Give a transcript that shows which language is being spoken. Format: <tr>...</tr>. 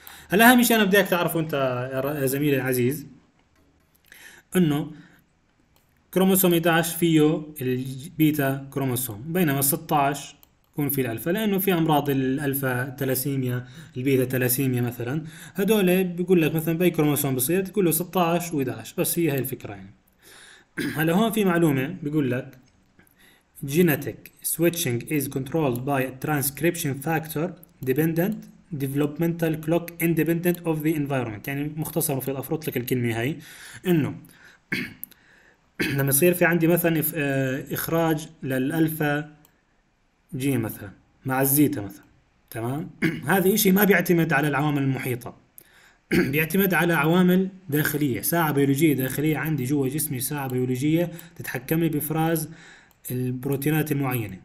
<ar>هلا أهم شيء أنا بديك تعرفه أنت يا زميلي العزيز أنه كروموسوم 11 فيه البيتا كروموسوم، بينما 16 يكون فيه الألفا، لأنه في أمراض الألفا تلاسيميا البيتا تلاسيميا مثلا، هدول بيقول لك مثلا بأي كروموسوم بصير تقول له 16 و11، بس هي هاي الفكرة يعني. هلا هون في معلومة بيقول لك</ar> <en>genetic switching is controlled by a transcription factor dependent developmental clock independent of the environment.</en> <ar>يعني مختصر في الأفروض لك الكلمة هاي إنه لما يصير في عندي مثلا إخراج للألفا جي مثلا مع الزيتا مثلا، تمام؟ هذا إشي ما بيعتمد على العوامل المحيطة، بيعتمد على عوامل داخلية، ساعة بيولوجية داخلية عندي جوا جسمي، ساعة بيولوجية تتحكمي بإفراز البروتينات المعينة.</ar>